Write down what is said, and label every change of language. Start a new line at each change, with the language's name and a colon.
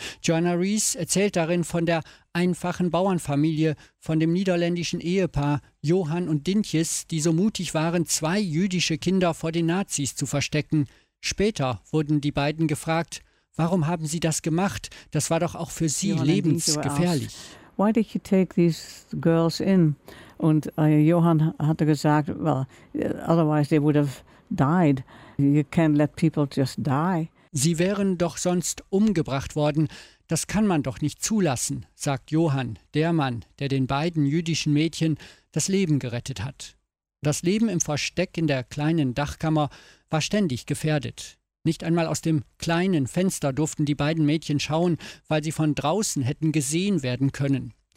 German: Johanna Rees erzählt darin von der einfachen Bauernfamilie, von dem niederländischen Ehepaar Johan und Dintjes, die so mutig waren, 2 jüdische Kinder vor den Nazis zu verstecken. Später wurden die beiden gefragt, warum haben sie das gemacht? Das war doch auch für sie lebensgefährlich.
English: Why did you take these girls in?
German: Und Johan hatte gesagt,
English: well, otherwise they would have died. You can't let people just die.
German: Sie wären doch sonst umgebracht worden. Das kann man doch nicht zulassen, sagt Johan, der Mann, der den beiden jüdischen Mädchen das Leben gerettet hat. Das Leben im Versteck in der kleinen Dachkammer war ständig gefährdet. Nicht einmal aus dem kleinen Fenster durften die beiden Mädchen schauen, weil sie von draußen hätten gesehen werden können.